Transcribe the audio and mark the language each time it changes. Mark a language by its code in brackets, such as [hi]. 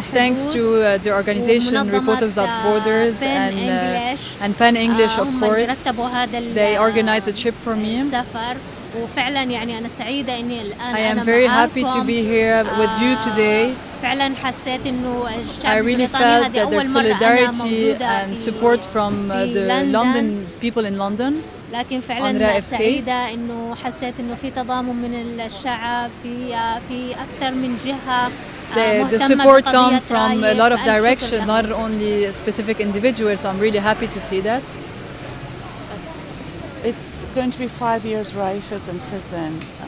[en] حدود is thanks to the organization Reporters Without Borders and Pan English of course they organized a trip for me [ar] سفر وفعلا يعني أنا سعيدة إني الآن [en] I am very happy to be here with you today I really felt that their solidarity and support from the London people in London [ar] لكن فعلا سعيدة إنه حسيت إنه في تضامن من الشعب في أكثر من جهة [en] The support comes from a lot of directions not only specific individuals so I'm really happy to see that It's going to be 5 years Raif is in prison.